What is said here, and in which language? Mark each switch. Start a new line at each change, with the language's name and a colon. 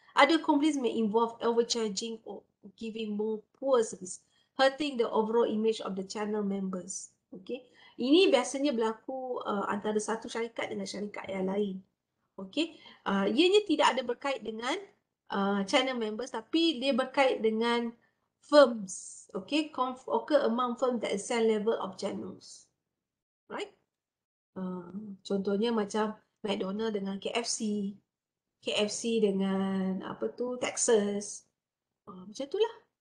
English: Other complaints may involve overcharging or giving more poor service, hurting the overall image of the channel members.
Malay: Okay, ini biasanya berlaku antara satu syarikat dengan syarikat yang lain. Okay, ianya tidak ada berkait dengan channel members, tapi dia berkait dengan firms.
English: Okay, occur among firms that sell level of channels, right?
Malay: Contohnya macam McDonald's dengan KFC, KFC dengan apa tu Texas, macam itulah.